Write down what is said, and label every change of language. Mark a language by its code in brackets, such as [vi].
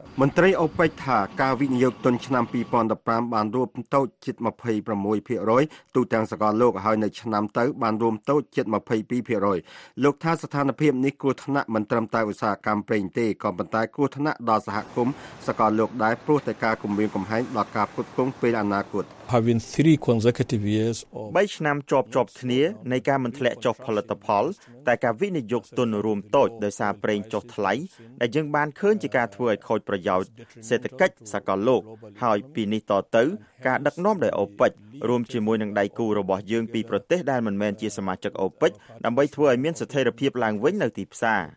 [km] មន្ត្រី OPEC ថាការវិនិយោគទុនឆ្នាំ2015បានរួមតូចជិត 26% ទូទាំងសកលលោកហើយនៅឆ្នាំទៅបានរួមតូចជិត 22% លោកថាស្ថានភាពនេះគួរថ្នាក់មិនត្រឹមតែឧស្សាហកម្មប្រេងទេក៏ប៉ុន្តែគួរថ្នាក់ដល់សហគមន៍សកលលោកដែរព្រោះតែការគំរាមកំហែងដល់ការផ្គត់ផ្គង់ពេលអនាគត [en] Having 3 consecutive years of [km] 3ឆ្នាំជាប់គ្នានៃការមិនធ្លាក់ចុះផលិតផលតែការវិនិយោគទុនរួមតូចដោយសារប្រេងចុះថ្លៃដែលយើងបានឃើញជាការធ្វើឲ្យខូចប្រយោជន៍សេដ្ឋកិច្ចសកលលោកហើយពីនេះតទៅការដឹកនាំដោយ OPEC រួមជាមួយនឹងដៃគូរបស់យើងពីប្រទេសដែលមិនមែនជាសមាជិក OPEC ដើម្បីធ្វើឲ្យមានស្ថិរភាពឡើងវិញនៅទីផ្សារ